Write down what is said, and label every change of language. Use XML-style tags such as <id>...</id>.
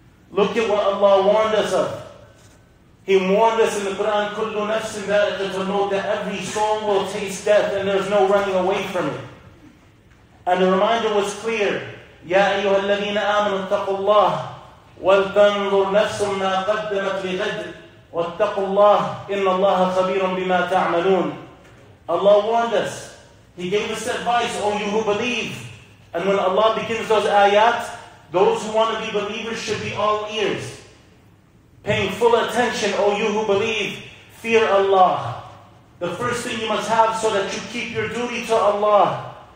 <en>Look at what Allah warned us of. He warned us in the Quran,</en> <ar>كل نفس ذائقة الموت,</ar> <en>that every soul will taste death and there's no running away from it. And the reminder was clear,</en> <ar>يَا أَيُّهَا الَّذِينَ آمَنُوا اتَّقُوا اللَّهِ وَلْتَنْظُرْ نَفْسٌ مَا قَدَّمَتْ لِغَدٍ وَاتَّقُوا اللَّهِ إِنَّ اللَّهَ خَبِيرٌ بِمَا تَعْمَلُونَ.</ar> <en>Allah warned us. He gave us advice, O you who believe. And when Allah begins those ayat, those who want to be believers should be all ears, paying full attention, O you who believe. Fear Allah. The first thing you must have so that you keep your duty to Allah.</en>